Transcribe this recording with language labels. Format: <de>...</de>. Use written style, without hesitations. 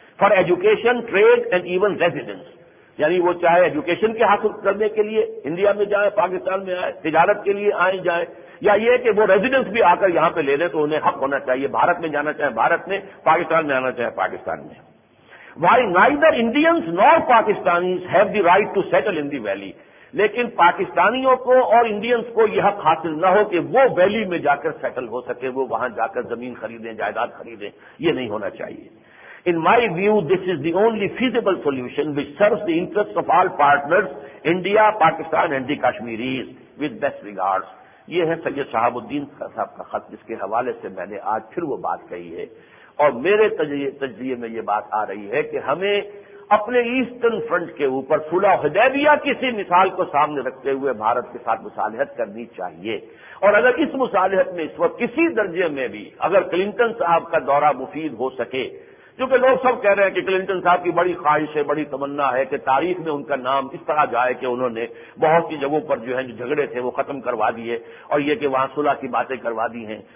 <en>for education trade and even residence,</en> <ur>یعنی وہ چاہے ایجوکیشن کے حاصل کرنے کے لیے انڈیا میں جائیں پاکستان میں آئیں تجارت کے لیے آئیں جائیں, یا یہ کہ وہ ریزیڈنس بھی آ کر یہاں پہ لے لیں تو انہیں حق ہونا چاہیے بھارت میں جانا چاہے بھارت میں, پاکستان میں آنا چاہے پاکستان میں.</ur> <en>why neither Indians nor Pakistanis have the right to settle in the valley,</en> <ur>لیکن پاکستانیوں کو اور انڈینز کو یہ حق حاصل نہ ہو کہ وہ ویلی میں جا کر سیٹل ہو سکے, وہ وہاں جا کر زمین خریدیں جائیداد خریدیں, یہ نہیں ہونا چاہیے.</ur> <en>In my view this is the only feasible solution which serves the interest of all partners India Pakistan and the Kashmiris with best regards.</en> <ur>یہ ہے سید شہاب الدین صاحب کا خط جس کے حوالے سے میں نے آج پھر وہ بات کہی ہے, اور میرے تجزیے میں یہ بات آ رہی ہے کہ ہمیں اپنے ایسٹرن فرنٹ کے اوپر صلح حدیبیہ کسی مثال کو سامنے رکھتے ہوئے بھارت کے ساتھ مصالحت کرنی چاہیے, اور اگر اس مصالحت میں اس وقت کسی درجے میں بھی اگر کلنٹن صاحب کا دورہ مفید ہو سکے, کیونکہ لوگ سب کہہ رہے ہیں کہ کلنٹن صاحب کی بڑی خواہش ہے بڑی تمنا ہے کہ تاریخ میں ان کا نام اس طرح جائے کہ انہوں نے بہت سی جگہوں پر جو ہیں جو جھگڑے تھے وہ ختم کروا دیے, اور یہ کہ وہاں صلح کی باتیں کروا دی ہیں.</ur>